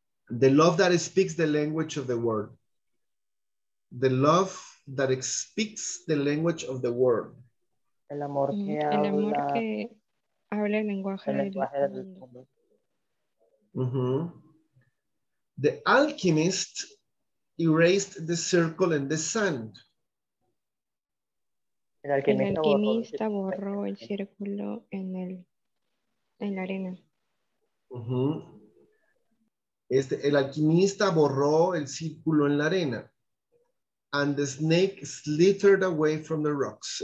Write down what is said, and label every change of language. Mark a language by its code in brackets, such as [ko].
[en] The love that speaks the language of the world. The love that speaks the language of the world. [es] El amor que habla el lenguaje del mundo. [en] The alchemist erased the circle in the sand. [es] El alquimista borró el círculo en la arena. Uh-huh. El alquimista borró el círculo en la arena. [en] And the snake slithered away from the rocks.